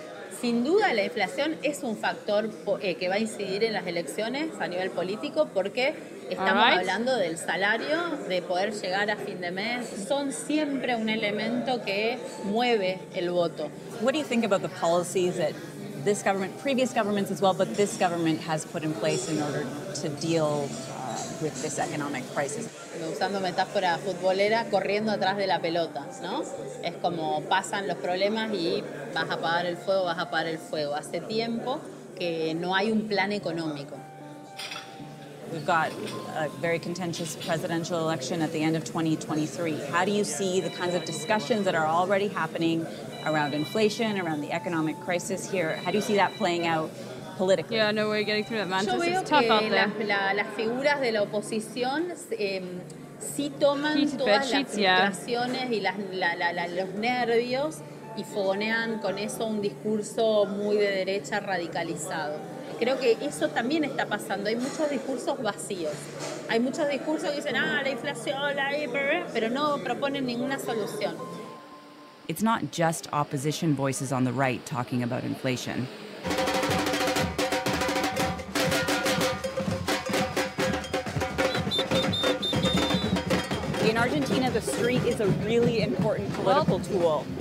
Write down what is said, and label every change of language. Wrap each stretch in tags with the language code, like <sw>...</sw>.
<es>Sin duda, la inflación es un factor que va a incidir en las elecciones a nivel político porque estamos hablando del salario, de poder llegar a fin de mes. Son siempre un elemento que mueve el voto.</es> <en>What do you think about the policies that this government, previous governments as well, but this government has put in place in order to deal with this economic crisis?</en> <es>Usando metáfora futbolera, corriendo atrás de la pelota, ¿no? Es como pasan los problemas y vas a apagar el fuego, vas a apagar el fuego. Hace tiempo que no hay un plan económico.</es> <en>We've got a very contentious presidential election at the end of 2023. How do you see the kinds of discussions that are already happening around inflation, around the economic crisis here? How do you see that playing out politically? Yeah, no way getting through that mantis. It's tough out there.</en> <es>Las figuras de la oposición sí toman todas las frustraciones y los nervios y fogonean con eso un discurso muy de derecha radicalizado. Creo que eso también está pasando. Hay muchos discursos vacíos. Hay muchos discursos que dicen, la inflación, pero no proponen ninguna solución.</es> <en>It's not just opposition voices on the right talking about inflation. In Argentina, the street is a really important political tool.</en>